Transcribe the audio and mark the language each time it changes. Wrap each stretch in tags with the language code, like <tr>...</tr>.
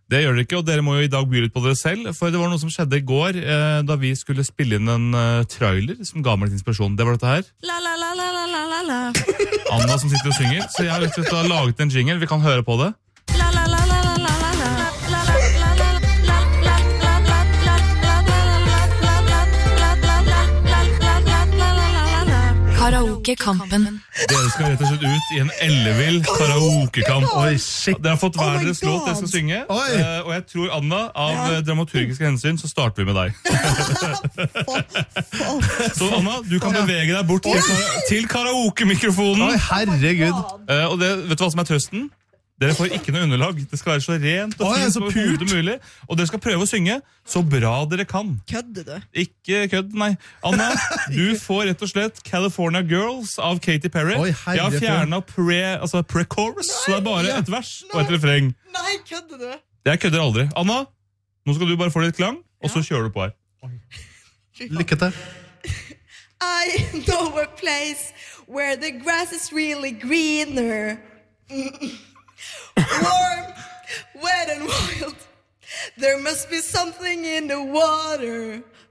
<no>Det gjør det ikke, og dere må jo I dag by litt på dere selv, for det var noe som skjedde I går, da vi skulle spille inn en trailer som ga meg litt inspirasjon. Det var dette her. La la la la la la la la. Anna som sitter og synger, så jeg vet ikke om du har laget en jingle, vi kan høre på det. La la la la la la la la la la la la la la la la la la la la la la la la la la la la la la la la la la. Karaoke-kampen. Dere skal rett og slett ut I en ellevill karaoke-kamp. Oi, shit. Det har fått hver deres låt jeg skal synge. Oi. Og jeg tror, Anna, av dramaturgiske hensyn, så starter vi med deg. Så, Anna, du kan bevege deg bort til karaoke-mikrofonen. Oi, herregud. Og det, vet du hva som trøsten? Dere får ikke noe underlag. Det skal være så rent og fint som hodet mulig. Og dere skal prøve å synge så bra dere kan. Kødde du? Ikke kødde, nei. Anna, du får rett og slett California Girls av Katy Perry. Oi, herre, jeg har fjernet pre-chorus, så det bare et vers og et refreng. Nei, kødde du? Jeg kødder aldri. Anna, nå skal du bare få litt klang, og så kjører du på her. Lykke til.</no> <en>I know a place where the grass is really greener. Warm, wet and wild. There must be something in the water.</en>